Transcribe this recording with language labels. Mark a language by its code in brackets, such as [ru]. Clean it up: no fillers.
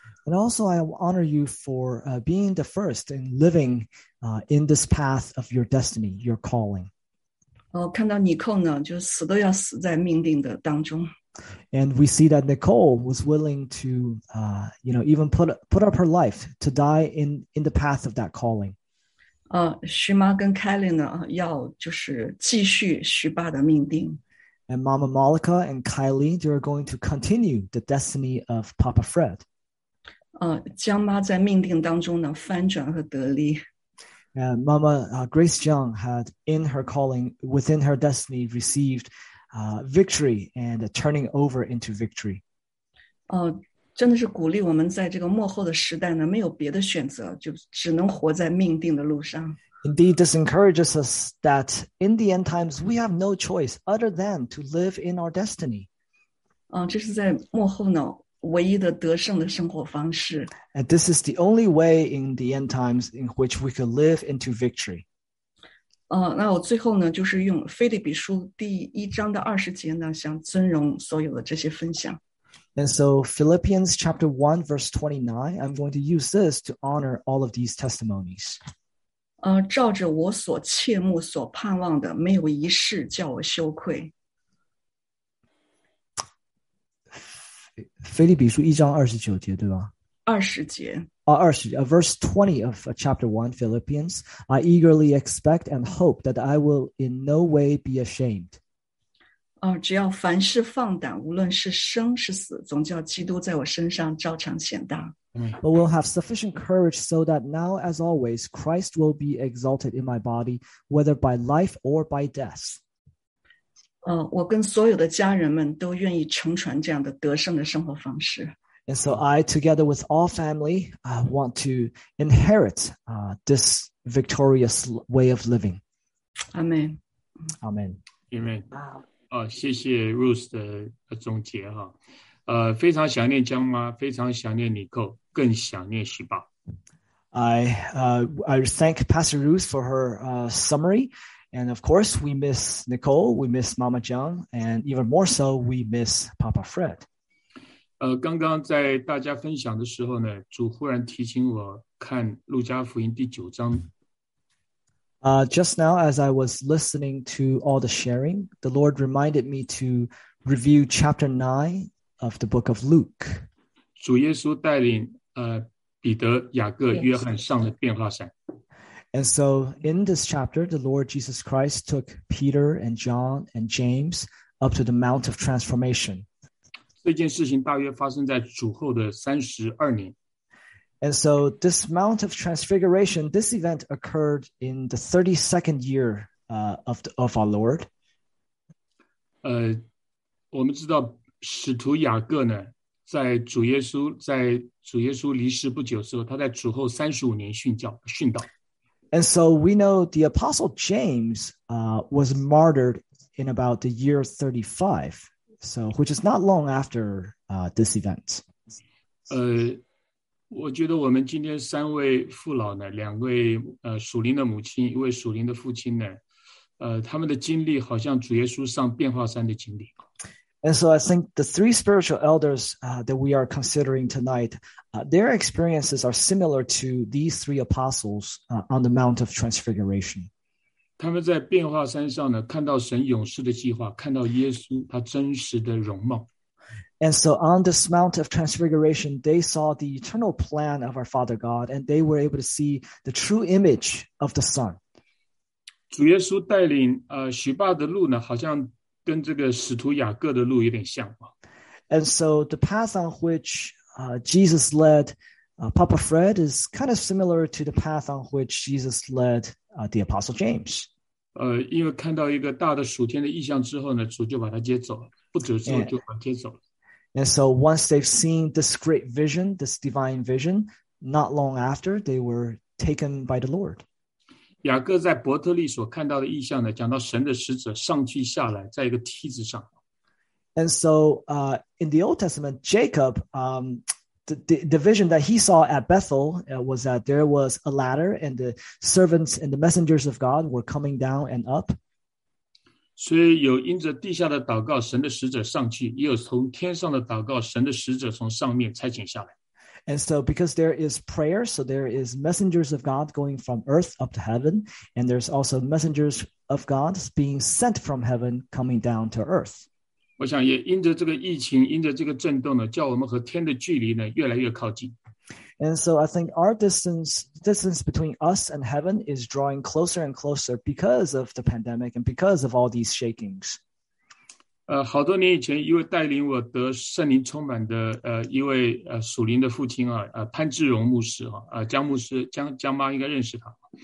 [en] And also, I honor you for being the first and living in this path of your destiny, your calling. [zh] 看到尼寇呢，就死都要死在命定的当中。 [en] And we see that Nicole was willing to, you know, even put up her life to die in the path of that calling. [zh] Shima 跟 Kelly 呢，要就是继续徐爸的命定。 [en] And Mama Malika and Kylie, they are going to continue the destiny of Papa Fred. [zh] 江妈在命定当中呢，翻转和得力。 [en] And Mama Grace Jiang had in her calling, within her destiny, received victory and turning over into victory. [zh] 真的是鼓励我们在这个幕后的时代呢，没有别的选择，就只能活在命定的路上。 [en] Indeed, this encourages us that in the end times, we have no choice other than to live in our destiny. [zh] 这是在幕后呢，唯一的得胜的生活方式。 [en] And this is the only way in the end times in which we could live into victory. [zh] 那我最后呢，就是用腓立比书第一章的二十节呢，想尊荣所有的这些分享。 [en] And so Philippians chapter 1, verse 29, I'm going to use this to honor all of these testimonies. [zh] 照着我所切慕所盼望的，没有一事叫我羞愧。腓立比书一章二十九节，对吧？二十节。 [en] Verse 20 of chapter 1, Philippians. I eagerly expect and hope that I will in no way be ashamed. [zh] 只要凡事放胆，无论是生是死，总叫基督在我身上照常显大。 [en] But we'll have sufficient courage so that now, as always, Christ will be exalted in my body, whether by life or by death. [zh] 我跟所有的家人们都愿意承传这样的得胜的生活方式。 [en] And so I, together with all family, want to inherit this victorious way of living. Amen. Amen. Amen. [zh] 谢谢 Ruth 的总结哈，非常想念江妈，非常想念妮蔻，更想念徐爸。 [en] I thank Pastor Ruth for her summary, and of course we miss Nicole, we miss Mama Jiang, and even more so we miss Papa Fred. [zh] 刚刚在大家分享的时候呢，主忽然提醒我看路加福音第九章。 [en] Just now, as I was listening to all the sharing, the Lord reminded me to review chapter 9 of the book of Luke. [zh] 主耶稣带领彼得、雅各、约翰上了变化山。 [en] And so in this chapter, the Lord Jesus Christ took Peter and John and James up to the Mount of Transformation. [zh] 这件事情大约发生在主后的32年。 [en] And so this Mount of Transfiguration, this event occurred in the 32nd year of our Lord. [zh] 我们知道使徒雅各呢，在主耶稣离世不久之后，他在主后35年殉道。 [en] And so we know the Apostle James was martyred in about the year 35, so which is not long after this event. [zh] 我觉得我们今天三位父老呢，两位属灵的母亲，一位属灵的父亲呢，他们的经历好像主耶稣上变化山的经历。 [en] And so I think the three spiritual elders that we are considering tonight, their experiences are similar to these three apostles on the Mount of Transfiguration. [zh] 他们在变化山上呢，看到神永世的计划，看到耶稣他真实的容貌。 [en] And so on this Mount of Transfiguration, they saw the eternal plan of our Father God, and they were able to see the true image of the Son. [zh] 主耶稣带领许霸的路呢，好像跟这个使徒雅各的路有点像。 [en] And so the path on which Jesus led Papa Fred is kind of similar to the path on which Jesus led the Apostle James. [zh] 因为看到一个大的属天的意象之后呢，主就把他接走了，不久之后就把他接走了。 [en] And so once they've seen this great vision, this divine vision, not long after, they were taken by the Lord. [zh] 雅各在伯特利所看到的异象呢，讲到神的使者上去下来，在一个梯子上。 [en] And so in the Old Testament, Jacob, the vision that he saw at Bethel was that there was a ladder and the servants and the messengers of God were coming down and up. [zh] 所以有因着地下的祷告，神的使者上去；也有从天上的祷告，神的使者从上面差遣下来。 [en] And so, because there is prayer, so there is messengers of God going from earth up to heaven, and there's also messengers of God being sent from heaven coming down to earth. [zh] 我想也因着这个疫情，因着这个震动呢，叫我们和天的距离呢越来越靠近。 [en] And so I think our distance between us and heaven is drawing closer and closer because of the pandemic and because of all these shakings. [zh] 好多年以前，一位带领我得圣灵充满的一位属灵的父亲啊，潘志荣牧师啊，江牧师，江妈应该认识他。